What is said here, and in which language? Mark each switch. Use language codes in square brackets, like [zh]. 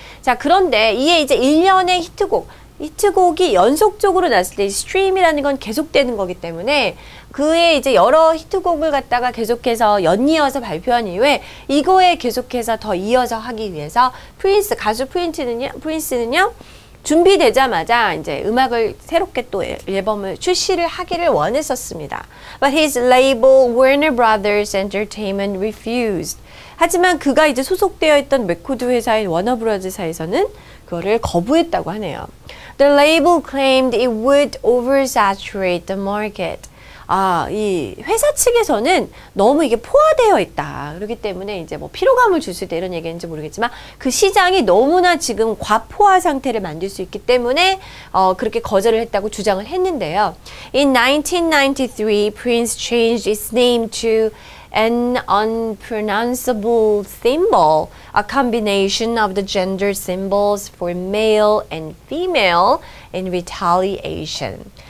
[ko] 자, 그런데 이에 이제 1년의 히트곡, 히트곡이 연속적으로 났을 때 stream이라는 건 계속되는 거기 때문에 그의 이제 여러 히트곡을 갖다가 계속해서 연이어서 발표한 이후에 이거에 계속해서 더 이어서 하기 위해서 프린스, 가수 프린스는요, 준비되자마자 이제 음악을 새롭게 또 앨범을 출시를 하기를 원했었습니다. [en] But his label Warner Brothers Entertainment refused. [ko] 하지만 그가 이제 소속되어 있던 레코드 회사인 워너브라더스에서는 그거를 거부했다고 하네요. [en] The label claimed it would oversaturate the market. [ko] 아, 이 회사 측에서는 너무 이게 포화되어 있다. 그렇기 때문에 이제 뭐 피로감을 줄 수 있다 이런 얘기인지 모르겠지만 그 시장이 너무나 지금 과포화 상태를 만들 수 있기 때문에 그렇게 거절을 했다고 주장을 했는데요. [en] In 1993, Prince changed its name to an unpronounceable symbol, a combination of the gender symbols for male and female in retaliation.